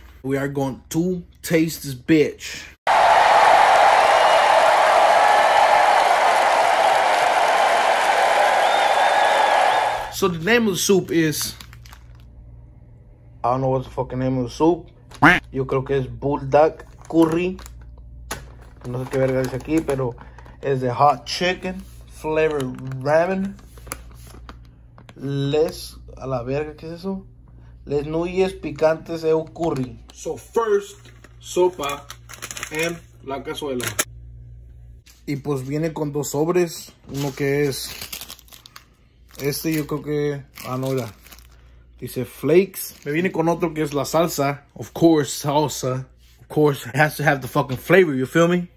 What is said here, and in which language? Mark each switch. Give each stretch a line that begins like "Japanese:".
English: We are going to taste this bitch. So the name of the soup is, I don't know what the fucking name of the soup.
Spanish: Yo creo que es bulldog curry. No sé qué verga dice aquí, pero es de
English: hot chicken flavored ramen.
Spanish: Les, a la verga, ¿qué es eso? Les nuyes picantes de curry.
English: So first,
Spanish: sopa en la cazuela. Y pues viene con dos sobres. Uno que es este, yo creo que, ah, no, era. Dice flakes. Me viene con otro que es la salsa.
English: Of course, salsa. Of course, it has to have the fucking flavor, you feel me?